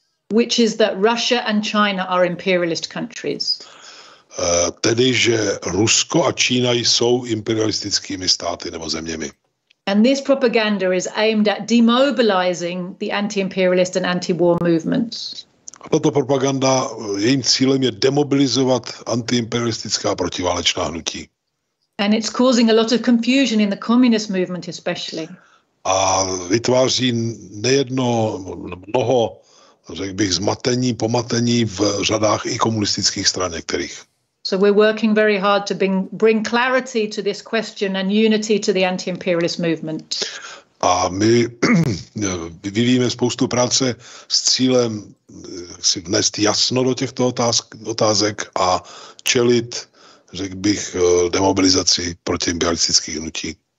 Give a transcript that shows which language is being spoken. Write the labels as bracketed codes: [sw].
[en] Which is that Russia and China are imperialist countries. [cs] Tedy, že Rusko a Čína jsou imperialistickými státy nebo zeměmi. [en] And this propaganda is aimed at demobilizing the anti-imperialist and anti-war movements. [cs] A tato propaganda, jejím cílem je demobilizovat anti-imperialistická a protiválečná hnutí. [en] And it's causing a lot of confusion in the communist movement especially. [cs] A vytváří nejedno mnoho, řekl bych, zmatení, pomatení v řadách i komunistických stran některých. [en] So we're working very hard to bring clarity to this question and unity to the anti-imperialist movement. [cs] A my vyvíjíme spoustu práce s cílem si vnést jasno do těchto otázek a čelit, řekl bych, demobilizaci proti imperialistických hnutí.